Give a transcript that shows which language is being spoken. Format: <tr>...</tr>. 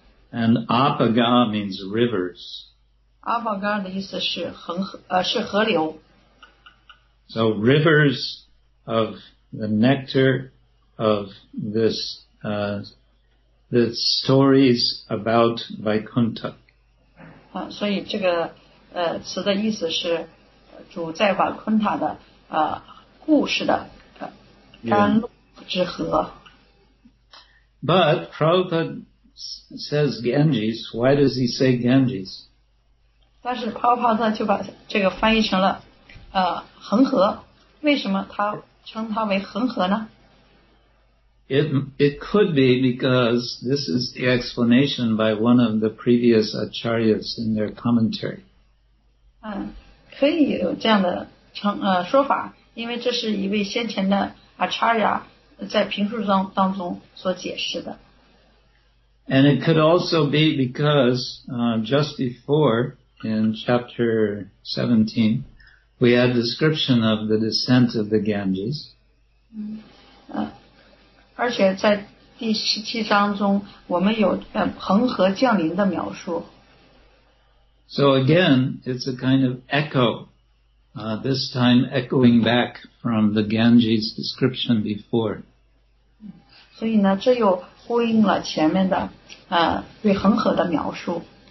<en>And Apaga means rivers.</en> <zh>Apaga 的意思是 是河流。</zh> <en>So rivers of the nectar of this, the stories about Vaikuntha.</en> <zh>所以这个词的意思是主在瓦昆塔的故事的甘露之河。</zh> <en>But Prabhupada says Ganges. Why does he say Ganges?</en> <zh>但是帕帕特就把这个翻译成了恒河，为什么他称它为恒河呢？</zh> <en>It could be because this is the explanation by one of the previous acharyas in their commentary.</en> <zh>可以有这样的说法，因为这是一位先前的 acharya 在评述当中所解释的。</zh> <en>And it could also be because just before in chapter 17,we had a description of the descent of the Ganges.</en> <zh>而且在第十七章中我们有恒河降临的描述。</zh> <en>So again, it's a kind of echo, this time echoing back from the Ganges description before.</en> <zh>所以呢这又呼应了前面的对恒河的描述。</zh>